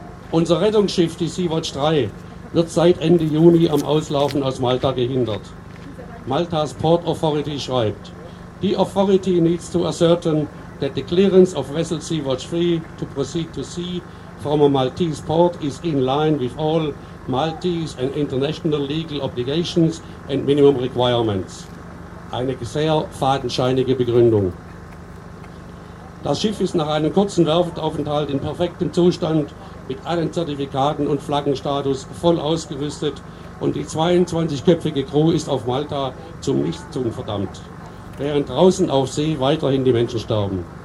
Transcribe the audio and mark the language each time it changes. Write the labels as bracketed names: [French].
[German] Unser Rettungsschiff, die Sea-Watch 3, wird seit Ende Juni am Auslaufen aus Malta gehindert. Maltas Port Authority schreibt, [English] "The Authority needs to ascertain that the clearance of vessel Sea-Watch 3 to proceed to sea from a Maltese port is in line with all Maltese and international legal obligations and minimum requirements." [German] Eine sehr fadenscheinige Begründung. Das Schiff ist nach einem kurzen Werftaufenthalt in perfektem Zustand mit allen Zertifikaten und Flaggenstatus voll ausgerüstet und die 22-köpfige Crew ist auf Malta zum Nichtstun verdammt, während draußen auf See weiterhin die Menschen sterben.